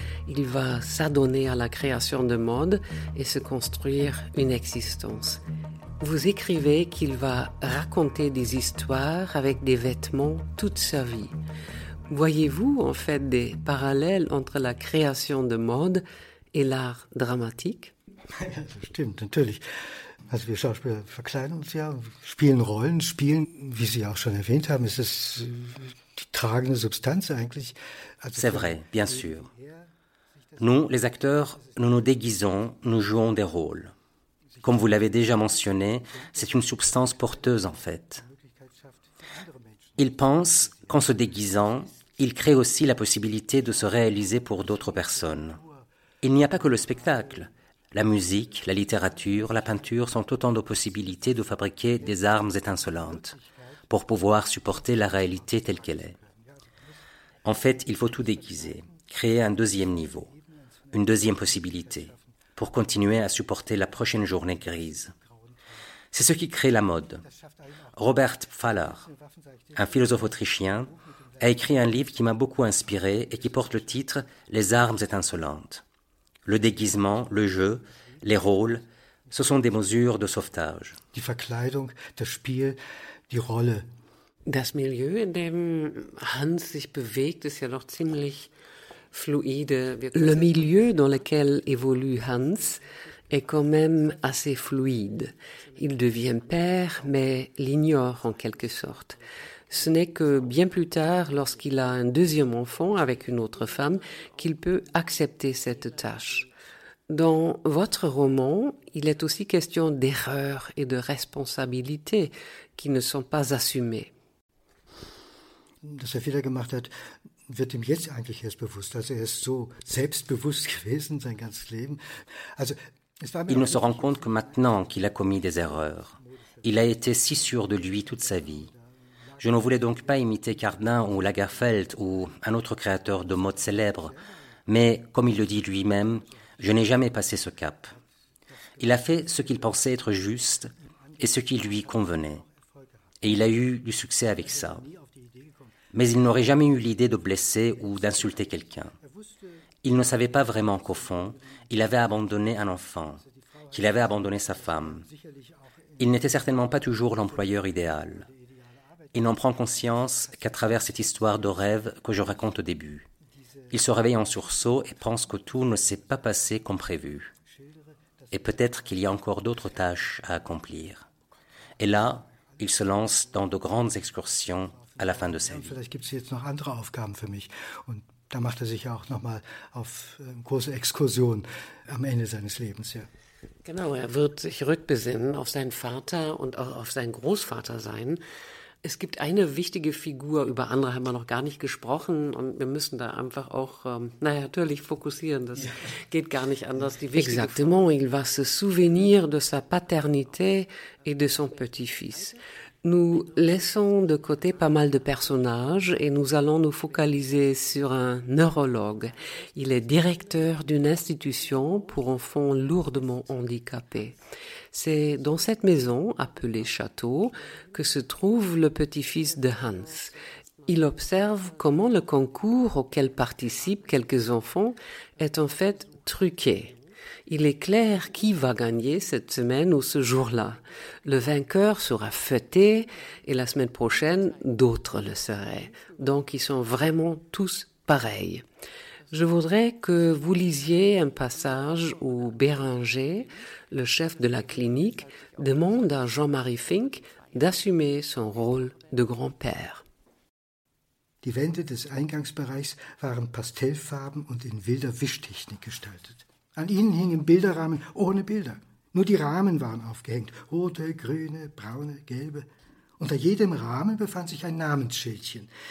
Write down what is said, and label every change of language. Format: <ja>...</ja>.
<fr>Il va s'adonner à la création de mode et se construire une existence. Vous écrivez qu'il va raconter des histoires avec des vêtements toute sa vie. Voyez-vous en fait des parallèles entre la création de mode et l'art dramatique?</fr> <de>Stimmt, natürlich. Also wir Schauspieler verkleiden uns ja, spielen Rollen, spielen, wie Sie auch schon erwähnt haben, ist es die tragende Substanz eigentlich.</de> <fr>C'est vrai, bien sûr. Nous, les acteurs, nous nous déguisons, nous jouons des rôles. Comme vous l'avez déjà mentionné, c'est une substance porteuse en fait. Ils pensent qu'en se déguisant, ils créent aussi la possibilité de se réaliser pour d'autres personnes. Il n'y a pas que le spectacle. La musique, la littérature, la peinture sont autant de possibilités de fabriquer des armes étincelantes pour pouvoir supporter la réalité telle qu'elle est. En fait, il faut tout déguiser, créer un deuxième niveau, une deuxième possibilité pour continuer à supporter la prochaine journée grise. C'est ce qui crée la mode. Robert Pfaller, un philosophe autrichien, a écrit un livre qui m'a beaucoup inspiré et qui porte le titre « Les armes étincelantes ». Le déguisement, le jeu, les rôles, ce sont des mesures de sauvetage.</fr> <de>Die Verkleidung, das Spiel, die Rolle. Das Milieu, in dem Hans sich bewegt, ist ja doch ziemlich fluide.</de> <fr>Le milieu dans lequel évolue Hans est quand même assez fluide. Il devient père, mais l'ignore en quelque sorte. Ce n'est que bien plus tard, lorsqu'il a un deuxième enfant avec une autre femme, qu'il peut accepter cette tâche. Dans votre roman, il est aussi question d'erreurs et de responsabilités qui ne sont pas assumées.</fr> <de>Dass er Fehler gemacht hat, wird ihm jetzt eigentlich erst bewusst. Also er ist so selbstbewusst gewesen sein ganzes Leben.</de> <fr>Also, il ne se rend compte que maintenant qu'il a commis des erreurs. Il a été si sûr de lui toute sa vie. Je ne voulais donc pas imiter Cardin ou Lagerfeld ou un autre créateur de mode célèbre, mais comme il le dit lui-même, je n'ai jamais passé ce cap. Il a fait ce qu'il pensait être juste et ce qui lui convenait. Et il a eu du succès avec ça. Mais il n'aurait jamais eu l'idée de blesser ou d'insulter quelqu'un. Il ne savait pas vraiment qu'au fond, il avait abandonné un enfant, qu'il avait abandonné sa femme. Il n'était certainement pas toujours l'employeur idéal. Il n'en prend conscience qu'à travers cette histoire de rêve que je raconte au début. Il se réveille en sursaut et pense que tout ne s'est pas passé comme prévu. Et peut-être qu'il y a encore d'autres tâches à accomplir. Et là, il se lance dans de grandes excursions à la fin de sa vie.</fr> <de>Vielleicht gibt es jetzt noch andere Aufgaben für mich. Und da macht er sich ja auch nochmal auf große Exkursion am Ende seines Lebens. Ja. Genau, er wird sich rückbesinnen auf seinen Vater und auch auf seinen Großvater sein. Es gibt eine wichtige Figur, über andere haben wir noch gar nicht gesprochen und wir müssen da einfach auch, natürlich fokussieren, das geht gar nicht anders.</de> <fr>Die Exactement, il va se souvenir de sa paternité et de son petit-fils. Nous laissons de côté pas mal de personnages et nous allons nous focaliser sur un neurologue. Il est directeur d'une institution pour enfants lourdement handicapés. C'est dans cette maison, appelée Château, que se trouve le petit-fils de Hans. Il observe comment le concours auquel participent quelques enfants est en fait truqué. Il est clair qui va gagner cette semaine ou ce jour-là. Le vainqueur sera fêté et la semaine prochaine, d'autres le seraient. Donc, ils sont vraiment tous pareils. Je voudrais que vous lisiez un passage où Béringer, le chef de la clinique, demande à Jean-Marie Finck d'assumer son rôle de grand-père.</fr> <de>Die Wände des Eingangsbereichs waren pastellfarben und in wilder Wischtechnik gestaltet. An ihnen hingen Bilderrahmen ohne Bilder. Nur die Rahmen waren aufgehängt. Rote, grüne, braune, gelbe. Unter jedem Rahmen befand sich ein Namensschildchen.</de>